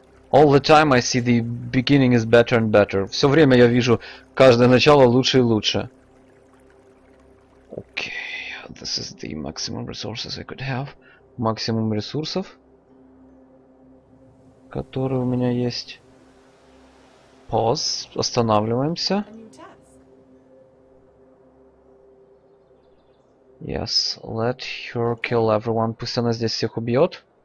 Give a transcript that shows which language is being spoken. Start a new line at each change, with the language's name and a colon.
English: All the time I see the beginning is better and better.
Russian: Все время я вижу каждое начало лучше и лучше.
English: Okay, this is the maximum resources I could have.
Russian: Максимум ресурсов, которые у меня есть.
English: Pause.
Russian: Останавливаемся.
English: Yes, let her kill everyone.
Russian: Пусть она здесь всех убьет.